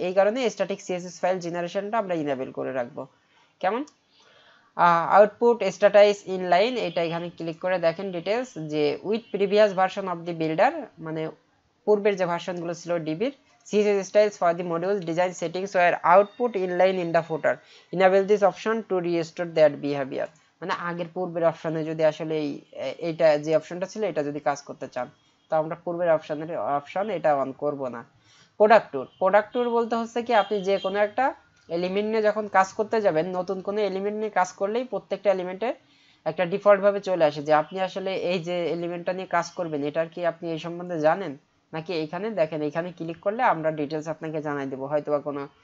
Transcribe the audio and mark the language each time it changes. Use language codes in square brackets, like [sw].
[bn] এই কারণে static CSS file জেনারেশনটা আমরা ইনেবল করে রাখবো কেমন। আউটপুট স্ট্যাটাস ইন লাইন, এটা এখানে ক্লিক করে দেখেন ডিটেলস যে [en] with previous version of the builder, [bn] মানে পূর্বের যে ভার্সনগুলো ছিল ডিবির [en] CSS styles for the modules, design settings were output inline in the footer. Enable this option to restore that behavior. [bn] মানে আগের পূর্বের অপশনে যদি আসলে এই এটা যে অপশনটা ছিল এটা যদি কাজ করতে চান তো আমরা পূর্বের অপশনের অপশন এটা অন করব না প্রোডাক্ট টুল প্রোডাক্ট টুল বলতে হচ্ছে কি আপনি যে কোনো একটা এলিমেন্ট নিয়ে যখন কাজ করতে যাবেন নতুন কোনো এলিমেন্ট নিয়ে কাজ করলেই প্রত্যেকটা এলিমেন্টে একটা ডিফল্ট ভাবে চলে আসে যে আপনি আসলে এই যে এলিমেন্টটা নিয়ে কাজ করবেন এটার কি আপনি এই সম্বন্ধে জানেন নাকি এখানে দেখেন এখানে ক্লিক করলে আমরা ডিটেইলস আপনাকে জানাই দেব হয়তোবা কোনো